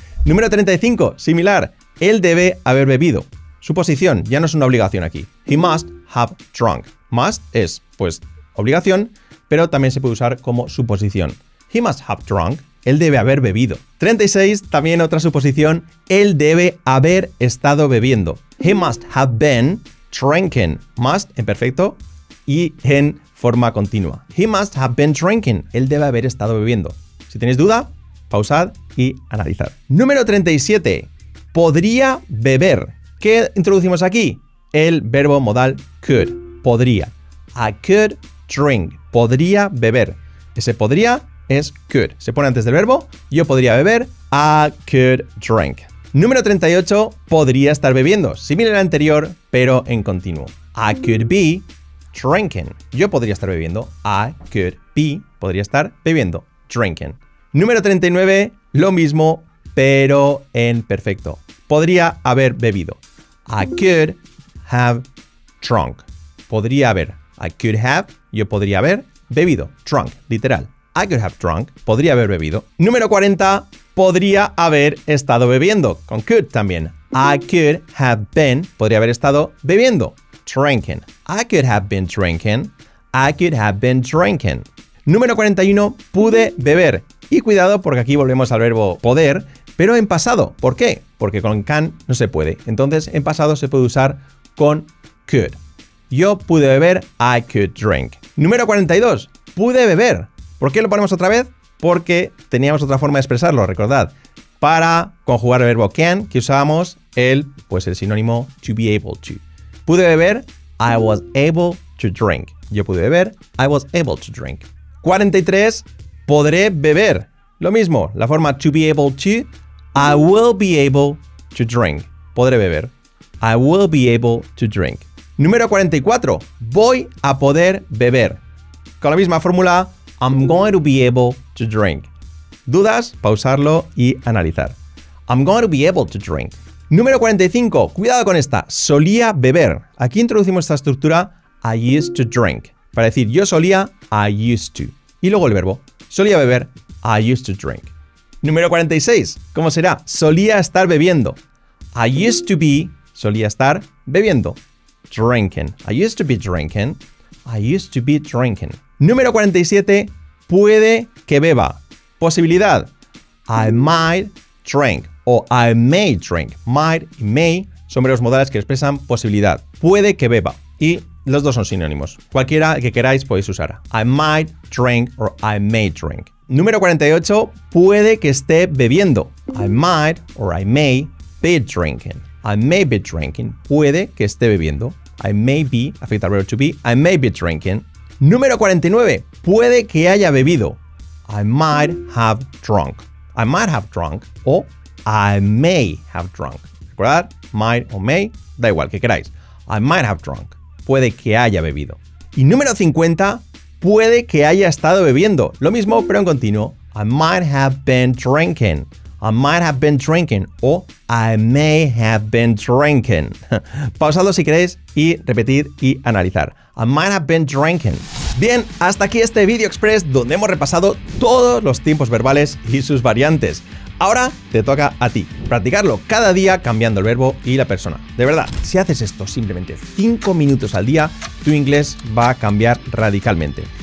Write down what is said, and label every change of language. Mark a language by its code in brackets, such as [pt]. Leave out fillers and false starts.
[es] Número 35. Similar. Él debe haber bebido. Suposición. Ya no es una obligación aquí. [en] He must have drunk. [es] Must es, pues, obligación, pero también se puede usar como suposición. He must have drunk. Él debe haber bebido. 36, también otra suposición. Él debe haber estado bebiendo. [en] He must have been drinking. [es] Must en perfecto y en forma continua. [en] He must have been drinking. [es] Él debe haber estado bebiendo. Si tenéis duda, pausad y analizad. Número 37. Podría beber. ¿Qué introducimos aquí? El verbo modal could. Podría. [en] I could drink. [es] Podría beber. Ese podría es could. Se pone antes del verbo. Yo podría beber. [en] I could drink. [es] Número 38. Podría estar bebiendo. Similar al anterior, pero en continuo. [en] I could be drinking. [es] Yo podría estar bebiendo. [en] I could be. [es] Podría estar bebiendo. [en] Drinking. [es] Número 39. Lo mismo, pero en perfecto. Podría haber bebido. [en] I could have drunk. [es] Podría haber. [en] I could have. [es] Yo podría haber bebido. Drunk, literal. [en] I could have drunk. [es] Podría haber bebido. Número 40. Podría haber estado bebiendo. Con could también. [en] I could have been, [es] podría haber estado bebiendo, [en] drinking. I could have been drinking. I could have been drinking. [es] Número 41, pude beber. Y cuidado, porque aquí volvemos al verbo poder, pero en pasado. ¿Por qué? Porque con can no se puede. Entonces, en pasado se puede usar con could. Yo pude beber, [en] I could drink. [es] Número 42, pude beber. ¿Por qué lo ponemos otra vez? Porque teníamos otra forma de expresarlo, recordad. Para conjugar el verbo can, que usábamos el sinónimo to be able to. Pude beber, [en] I was able to drink. [es] Yo pude beber, [en] I was able to drink. [es] 43, podré beber. Lo mismo, la forma [en] to be able to, I will be able to drink. Podré beber, I will be able to drink. [es] Número 44, voy a poder beber. Con la misma fórmula, [en] I'm going to be able to drink. [es] ¿Dudas? Pausarlo y analizar. [en] I'm going to be able to drink. [es] Número 45, cuidado con esta, solía beber. Aquí introducimos esta estructura, [en] I used to drink. [es] Para decir yo solía, [en] I used to. [es] Y luego el verbo, solía beber, [en] I used to drink. [es] Número 46, ¿cómo será? Solía estar bebiendo. [en] I used to be, [es] solía estar bebiendo. [en] Drinking. I used to be drinking. I used to be drinking. [es] Número 47, puede que beba. Posibilidad. [en] I might drink. O I may drink. [es] Might y may son verbos modales que expresan posibilidad. Puede que beba. Y los dos son sinónimos. Cualquiera que queráis podéis usar. [en] I might drink or I may drink. [es] Número 48, puede que esté bebiendo. [en] I might or I may be drinking. I may be drinking. [es] Puede que esté bebiendo. [en] I may be, [es] afecta al verbo to be. [en] I may be drinking. [es] Número 49, puede que haya bebido. [en] I might have drunk. I might have drunk. O I may have drunk. ¿Recordad? Might o may, [es] da igual, que queráis. [en] I might have drunk. [es] Puede que haya bebido. Y número 50, puede que haya estado bebiendo. Lo mismo, pero en continuo. [en] I might have been drinking. I might have been drinking. [es] O [en] I may have been drinking. [es] Pausadlo si queréis y repetid y analizar. [en] I might have been drinking. [es] Bien, hasta aquí este vídeo express donde hemos repasado todos los tiempos verbales y sus variantes. Ahora te toca a ti practicarlo cada día cambiando el verbo y la persona. De verdad, si haces esto simplemente 5 minutos al día, tu inglés va a cambiar radicalmente.